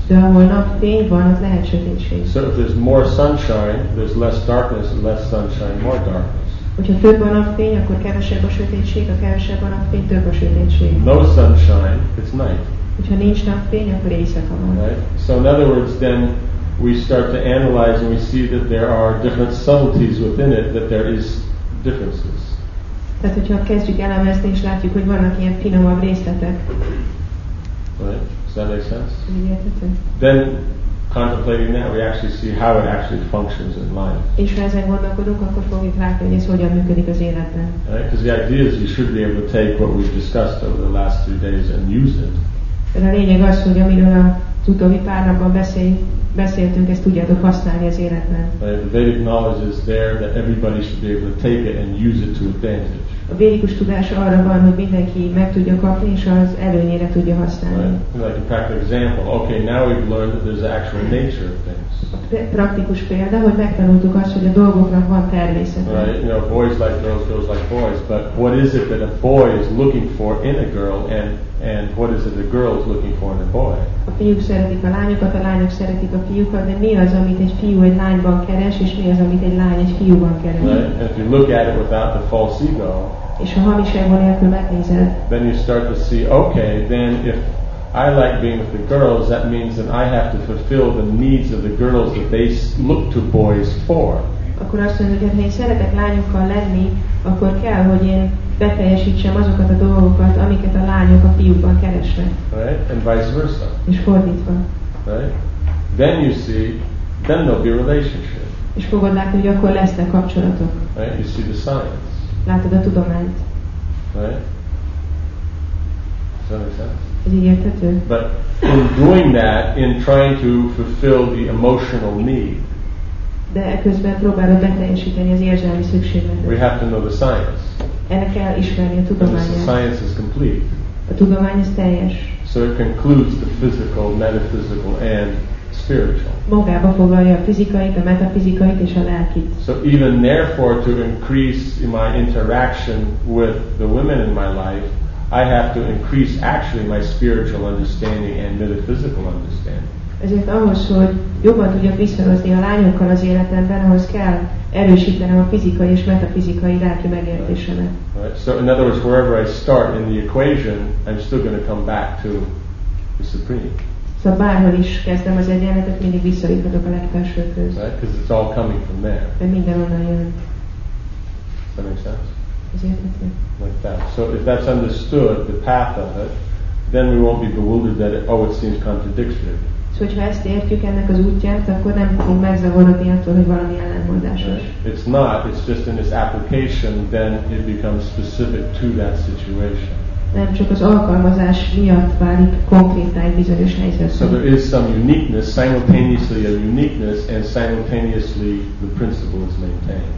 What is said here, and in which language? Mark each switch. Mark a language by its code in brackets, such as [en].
[hu] De ahol nap fény van, ott lehet sötétség. [en] So if there's more sunshine, there's less darkness, less sunshine, more darkness. [hu] Hogyha több a nap fény, akkor kevesebb a sötétség, ha kevesebb a nap fény, több a sötétség. [en] No sunshine, it's night. [hu] Hogyha nincs napfény, akkor éjszaka van. [en] Right. So in other words, then we start to analyze and we see that there are different subtleties within it, that there is differences. [hu] Tehát, hogyha kezdjük elemezni, és látjuk, hogy vannak ilyen finomabb részletek. [en] Right. Does that make sense? Then contemplating that, we actually see how it actually functions in life. [hu] És ha ezen gondolkodunk, akkor fogjuk látni, hogy ez hogyan működik az életben. [en] Right. Because the idea is you should be able to take what we've discussed over the last 3 days and use it. [hu] De a lényeg az, hogy amiről az utóbbi pár napban beszéltünk, ezt tudjátok használni az életben. [en] The Vedic knowledge is there that everybody should be able to take it and use it to advantage. [hu] A védikus tudás arra van, hogy mindenki meg tudja kapni és az előnyére tudja használni. [en] Like a practical example, okay, now we've learned that there's actual nature of things. [hu] Praktikus példa, hogy megtanultuk azt, hogy a dolgoknak van természete. [en] Right, you know, boys like girls, girls like boys, but what is it that a boy is looking for in a girl, and what is it a girl is looking for in a boy? [hu] A fiúk szeretik a lányokat, a lányok szeretik a fiúkat, de mi az, amit egy fiú egy lányban keres, és mi az, amit egy lány egy fiúban keres? [en] Right, and if you look at it without the false ego, [hu] és ha hamis ego nélkül megnézed, [en] then you start to see, okay, then if I like being with the girls, that means that I have to fulfill the needs of the girls that they look to boys for. [hu] Akkor azt mondjuk, hogy ha én szeretek lányokkal lenni, akkor kell, hogy én beteljesítsem azokat a dolgokat, amiket a lányok a fiúkban keresnek. [en] Right? And vice versa. [hu] És fordítva. [en] Right? Then you see, then there'll be a relationship. [hu] És fogod látni, hogy akkor lesznek kapcsolatok. [en] Right? You see the science. [hu] Látod a tudományt. [en] Right? [hu] Igen, [en] but in doing that, in trying to fulfill the emotional need, [hu] de közben próbálod beteljesíteni az érzelmi szükségletet. [en] We have to know the science. [hu] Ennek kell ismerni a tudományát. [en] The science is complete. [hu] A tudomány is teljes. [en] So it concludes the physical, metaphysical, and spiritual. [hu] Magába foglalja a fizikait, a metafizikait és a lelkit. [en] So even therefore, to increase my interaction with the women in my life, I have to increase actually my spiritual understanding and metaphysical understanding. [hu] Ezért ahhoz, hogy jobban tudjak visszahozni a lányokkal az életemben, ahhoz kell erősítenem a fizikai és metafizikai lelki megértésemet. [en] Right. So in other words, wherever I start in the equation, I'm still going to come back to the supreme. [hu] Szóval bárhol is kezdem az egyenletet, mindig visszaíthatok a legfelsőkhöz. [en] Right, because it's all coming from there. [hu] De minden onnan jön. [en] Does that make sense? [hu] Ezért, [en] like that. So if that's understood, the path of it, then we won't be bewildered that it seems contradictory. [hu] So hogyha ezt értjük ennek az útját, akkor nem fogunk megzavarodni attól, hogy valami ellentmondásos. [en] Right. It's not. It's just in its application, then it becomes specific to that situation. [hu] Nem csak az alkalmazás miatt válik konkrétan egy bizonyos helyzet. [en] So there is some uniqueness, simultaneously a uniqueness, and simultaneously the principle is maintained.